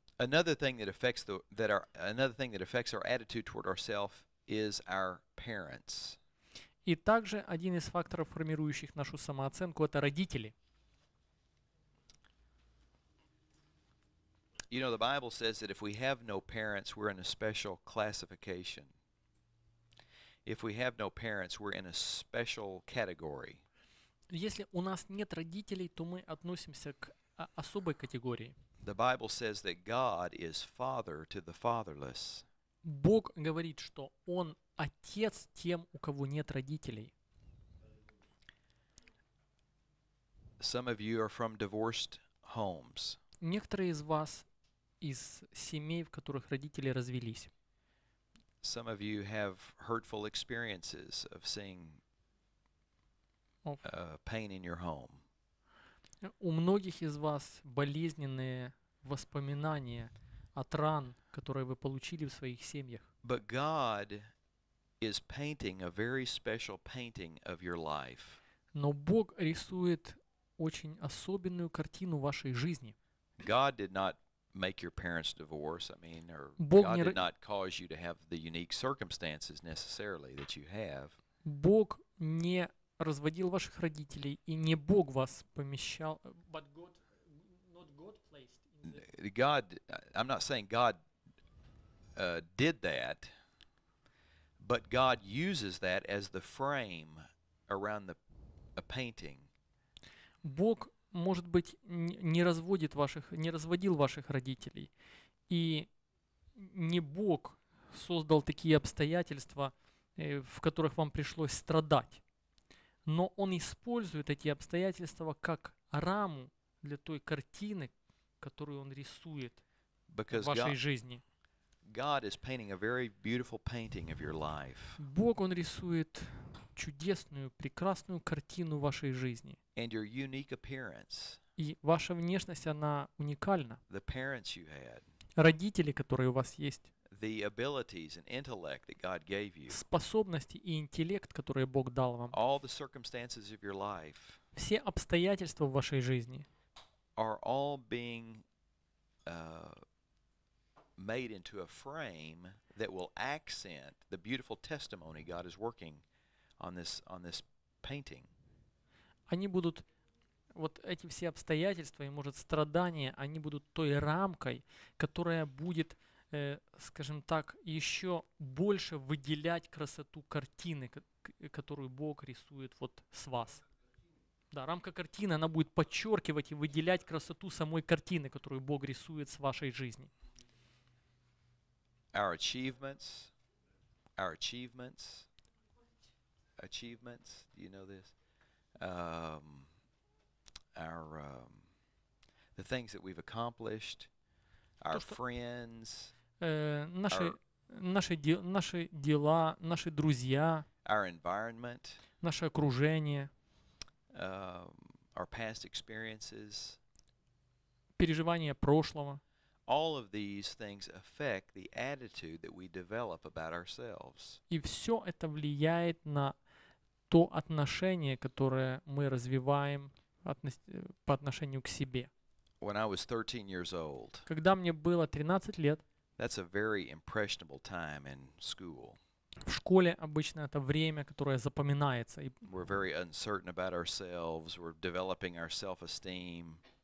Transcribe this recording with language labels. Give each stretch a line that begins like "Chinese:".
English: Another thing that affects our attitude toward ourselves is our parents.
Russian: И также один из факторов, формирующих нашу самооценку, это родители.
English: You know, the Bible says that if we have no parents, we're in a special classification. If we have no parents, we're in a special category.
Russian: Если у нас нет родителей, то мы относимся к особой категории.
English: The Bible says that God is father to the fatherless.
Russian: Бог говорит, что Он отец тем, у кого нет родителей.
English: Some of you are from divorced homes.
Russian: Некоторые из вас из семей, в которых родители развелись.
English: Some of you have hurtful experiences of seeing pain in your home.
Russian: У многих из вас болезненные воспоминания от ран, которые вы получили в своих семьях.
English: But God is painting a very special painting of your life.
Russian: Но Бог рисует очень особенную картину вашей жизни.
English: God did not make your parents divorce. I mean, or
Russian: Бог
English: God
Russian: не
English: did not cause you to have the unique circumstances necessarily that you have.
Russian: Бог не разводил ваших родителей, и не Бог вас помещал.
English: But God, not God placed in the God, I'm not saying God did that, but God uses that as the frame around a painting.
Russian: Бог, может быть, не разводил ваших родителей, и не Бог создал такие обстоятельства, в которых вам пришлось страдать. Но он использует эти обстоятельства как раму для той картины, которую он рисует в
English: Because
Russian: вашей жизни.
English: God is painting a very beautiful painting of your life.
Russian: Бог, он рисует чудесную, прекрасную картину вашей жизни.
English: And your unique appearance.
Russian: И ваша внешность, она уникальна.
English: The parents you had.
Russian: Родители, которые у вас есть.
English: The abilities and intellect that God gave you.
Russian: Способности и интеллект, которые Бог дал вам.
English: All the circumstances of your life
Russian: все обстоятельства в вашей жизни
English: are all being made into a frame that will accent the beautiful testimony God is working on this painting.
Russian: Они будут, вот эти все обстоятельства и, может, страдания, они будут той рамкой, которая будет, скажем так, еще больше выделять красоту картины, которую Бог рисует вот с вас. Да, рамка картины, она будет подчеркивать и выделять красоту самой картины, которую Бог рисует с вашей жизни.
English: Achievements, do you know this? Our the things that we've accomplished, our friends,
Russian: наши дела, наши друзья,
English: our environment,
Russian: наше окружение,
English: our past experiences,
Russian: переживания прошлого.
English: All of these things affect the attitude that we develop about ourselves.
Russian: И все это влияет на то отношение, которое мы развиваем по отношению к себе.
English: When I was 13 years old,
Russian: когда мне было 13 лет,
English: that's a very impressionable time in school.
Russian: В школе обычно это время, которое запоминается.
English: We're very uncertain about ourselves, we're developing our self-esteem.